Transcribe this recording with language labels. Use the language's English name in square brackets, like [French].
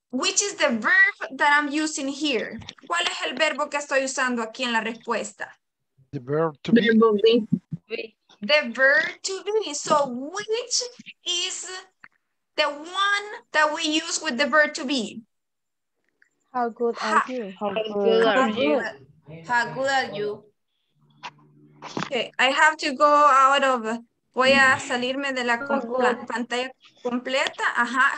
[English] Which is the verb that I'm using here? [Spanish] ¿Cuál es el verbo que estoy usando aquí en la respuesta? [English] The verb to be. The verb to be. So which is the one that we use with the verb to be? How good are you? How good are you? Okay, I have to go out of, voy a salirme de la pantalla completa. Ajá.